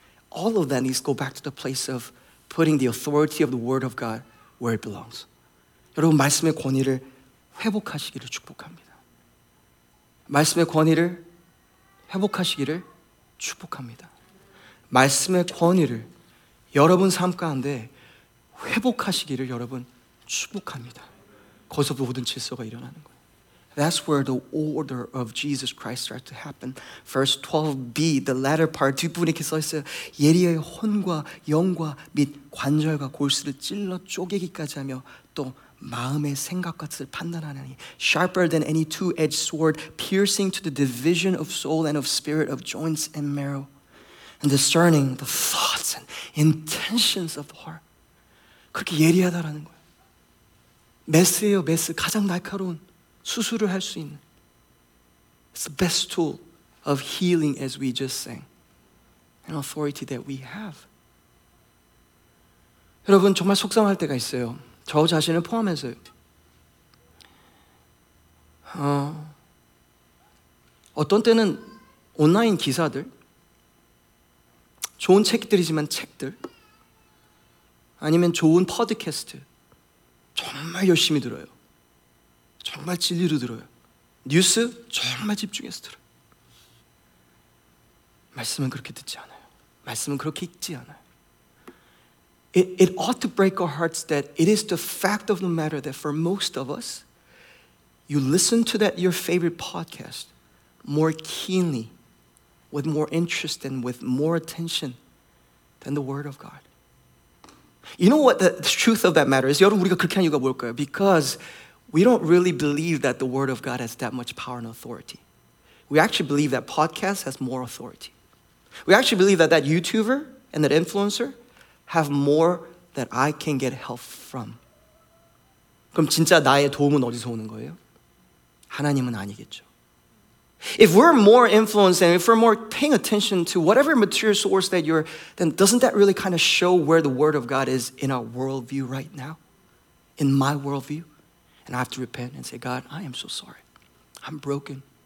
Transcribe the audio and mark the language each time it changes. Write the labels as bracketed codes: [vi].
[en] All of that needs to go back to the place of putting the authority of the word of God where it belongs. [ko] 여러분, 말씀의 권위를 회복하시기를 축복합니다. 말씀의 권위를 회복하시기를 축복합니다. 말씀의 권위를 여러분 삶 가운데 회복하시기를 여러분 축복합니다. 거기서 모든 질서가 일어나는 거예요. [en] That's where the order of Jesus Christ starts to happen. Verse 12b, the latter part, [ko] 뒷부분에 이렇게 써 있어요. 예리의 혼과 영과 및 관절과 골수를 찔러 쪼개기까지 하며 또 마음의 생각과 뜻을 판단하나니 [en] sharper than any two-edged sword, piercing to the division of soul and of spirit, of joints and marrow, and discerning the thoughts and intentions of the heart. [ko] 그렇게 예리하다라는 거예요. 메스예요, 메스. 가장 날카로운 수술을 할 수 있는. [en] It's the best tool of healing, as we just sang, and authority that we have. [ko] 여러분, 정말 속상할 때가 있어요. 저 자신을 포함해서요. 어떤 때는 온라인 기사들, 좋은 책들이지만 책들, 아니면 좋은 팟캐스트, 정말 열심히 들어요. 정말 진리로 들어요. 뉴스, 정말 집중해서 들어요. 말씀은 그렇게 듣지 않아요. 말씀은 그렇게 읽지 않아요. [en] It ought to break our hearts that it is the fact of the matter that for most of us, you listen to that your favorite podcast more keenly, with more interest and with more attention than the word of God. You know what the truth of that matter is? [ko] 여러분, 우리가 그렇게 한 이유가 뭘까요? [en] Because we don't really believe that the word of God has that much power and authority. We actually believe that podcast has more authority. We actually believe that YouTuber and that influencer have more that I can get help from. [ko] 그럼 진짜 나의 도움은 어디서 오는 거예요? 하나님은 아니겠죠. [en] If we're more influenced and if we're more paying attention to whatever material source that you're, then doesn't that really kind of show where the word of God is in our worldview right now? In my worldview? And I have to repent and say, God, I am so sorry. I'm broken.